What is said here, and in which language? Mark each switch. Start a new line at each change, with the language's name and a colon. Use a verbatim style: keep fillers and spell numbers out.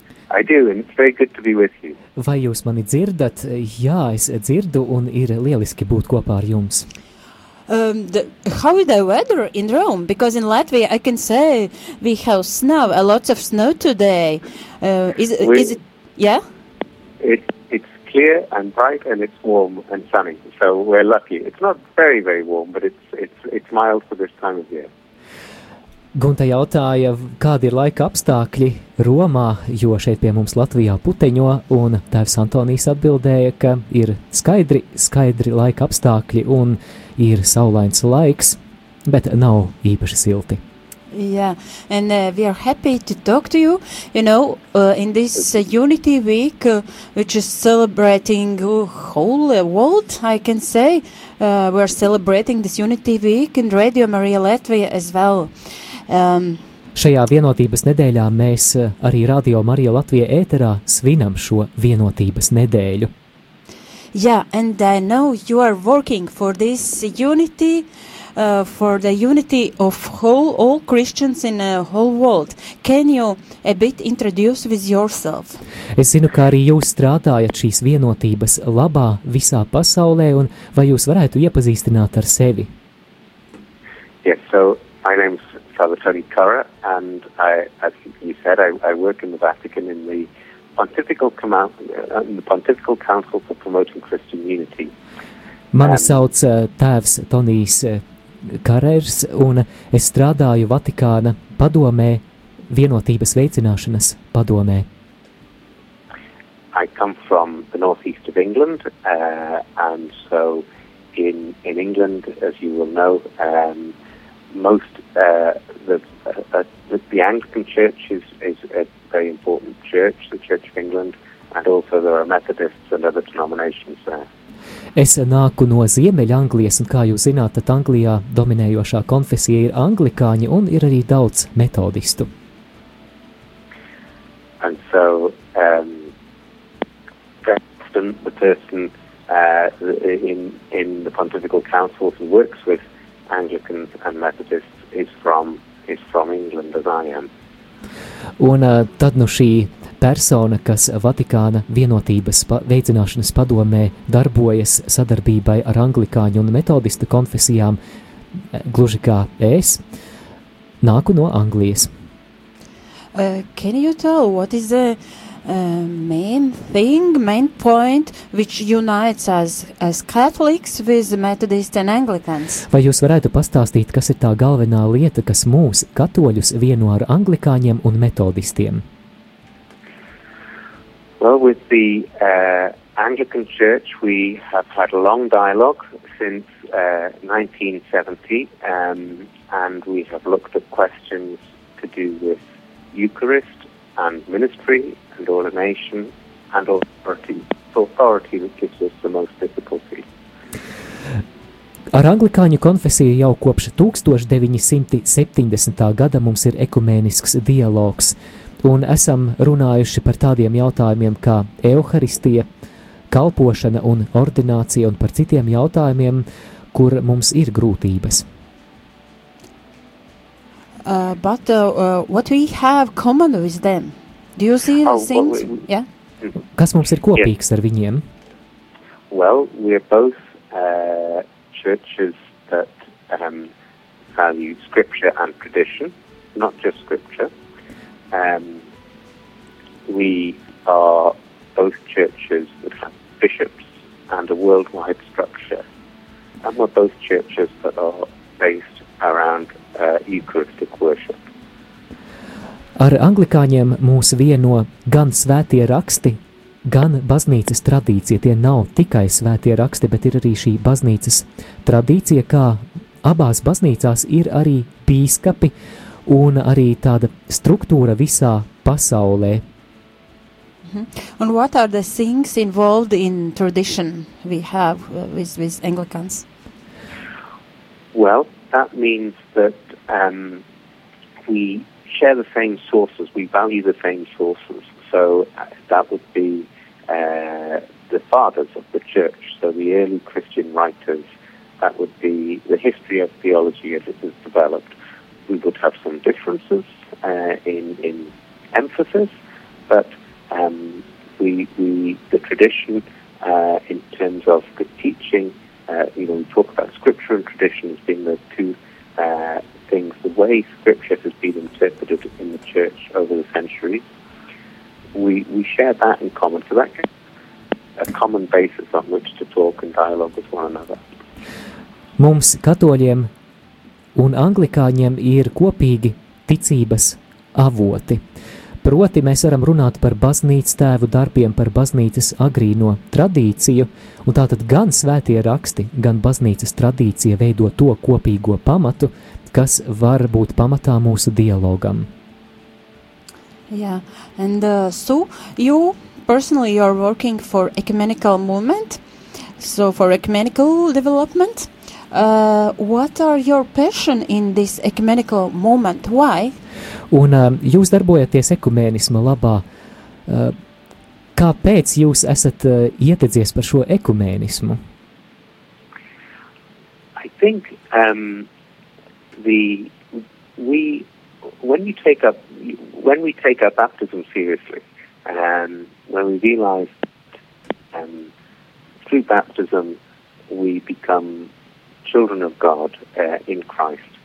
English: I do, and it's very good to be with you.
Latvian: Vai jūs mani dzirdat? Jā, es dzirdu, un ir lieliski būt kopā ar jums.
English: Um, the, how is the weather in Rome? Because in Latvia, I can say we have snow, a lot of snow today. Uh, is, is it? Yeah. It, it's clear and bright, and it's warm and sunny. So we're lucky. It's not very, very warm, but it's it's it's mild for this time of year.
Latvian: Gunta jautāja, kādi ir laika apstākļi Romā, jo šeit pie mums Latvijā puteņo, un tēvs Antonijs atbildēja, ka ir skaidri, skaidri laika apstākļi un ir saulains laiks, bet nav īpaši silti.
English: Yeah, and uh, we are happy to talk to you, you know, uh, in this uh, Unity Week, uh, which is celebrating the whole world, I can say. Uh, we are celebrating this Unity Week in Radio Maria Latvia as well.
Latvian: Um, Šajā vienotības nedēļā mēs uh, arī Radio Marija Latvija ēterā svinam šo vienotības nedēļu.
English: Yeah, and I know you are working for this unity, uh, for the unity of whole, all Christians in the whole world. Can you a bit introduce with yourself?
Latvian: Es zinu, kā arī jūs strādājat šīs vienotības labā visā pasaulē, un vai jūs varētu iepazīstināt ar sevi?
English: Yes, so my name is Father Tony Curra, and I, as you said, I, I work in the Vatican in the Pontifical, Command, uh, in the Pontifical Council for Promoting Christian Unity.
Latvian: Mani um, sauc uh, tēvs Tonijs uh, Karers, un es strādāju Vatikāna padomē, vienotības veicināšanas padomē.
English: I come from the northeast of England, uh, and so in, in England, as you will know, um, most uh, the, uh, the the Anglican Church is, is a very important church, the Church of England, and also there are Methodists and other denominations there.
Latvian: Es nāku no Ziemeļanglijas, un kā jūs zināt, tad Anglijā dominējošā konfesija ir anglikāņi, un ir arī daudz metodistu.
English: And so, um, the person uh, in in the Pontifical Council who works with Anglicans and Methodists is from is from England, as I am.
Latvian: Un uh, tad nu šī persona, kas Vatikāna vienotības pa- veicināšanas padomē darbojas sadarbībai ar anglikāņu un metodistu konfesijām, gluži kā es, nāku no Anglijas.
English: Uh, can you tell what is the uh, main thing, main point, which unites us as Catholics with Methodists and Anglicans?
Latvian: Vai jūs varētu pastāstīt, kas ir tā galvenā lieta, kas mūs, katoļus, vieno ar anglikāņiem un metodistiem?
English: Well, with the uh, Anglican Church, we have had a long dialogue since uh, nineteen seventy, um, and we have looked at questions to do with Eucharist and ministry and ordination and authority, authority which gives us the most difficulty.
Latvian: Ar anglikāņu konfesiju jau kopš
English: nineteen seventy.
Latvian: Gada mums ir ekumenisks dialogs, un esam runājuši par tādiem jautājumiem kā euharistija, kalpošana un ordinācija, un par citiem jautājumiem, kur mums ir grūtības.
English: Uh, but uh, uh, what we have common with them? Do you see the oh, things? Well, we, yeah.
Latvian: Kas mums ir kopīgs yeah. ar viņiem?
English: Well, we are both uh, churches that um, value scripture and tradition, not just scripture. Um, we are both churches that have bishops and a worldwide structure. And we're both churches that are based around uh, Eucharistic worship.
Latvian: Ar anglikāņiem mūs vieno gan svētie raksti, gan baznīcas tradīcija. Tie nav tikai svētie raksti, bet ir arī šī baznīcas tradīcija, kā abās baznīcās ir arī bīskapi, un arī tāda struktūra visā pasaulē. Mm-hmm.
English: And what are the things involved in tradition we have with, with Anglicans? Well, that means that um, we share the same sources, we value the same sources. So uh, that would be uh, the fathers of the church, so the early Christian writers. That would be the history of theology as it has developed. We would have some differences uh, in, in emphasis, but um, we, we, the tradition uh, in terms of the teaching, uh, you know, we talk about scripture and tradition as being the two uh, things. The way scripture has been interpreted in the church over the centuries, we, we share that in common. So that's a common basis on which to talk and dialogue with one another.
Latvian: Mums katoļiem un anglikāņiem ir kopīgi ticības avoti. Proti mēs varam runāt par baznīcas tēvu darbiem, par baznīcas agrīno tradīciju, un tātad gan svētie raksti, gan baznīcas tradīcija veido to kopīgo pamatu, kas var būt pamatā mūsu dialogam.
English: Yeah, and uh, so you personally are working for ecumenical movement, so for ecumenical development. Uh, what are your passion in this ecumenical moment? Why?
Latvian: Un uh, jūs darbojaties ekumēnisma labā. Uh, kāpēc jūs esat uh, ietedzies par šo ekumēnismu?
English: I think um, the we when you take up when we take up baptism seriously, and um, when we realize um, through baptism we become children of God uh, in Christ.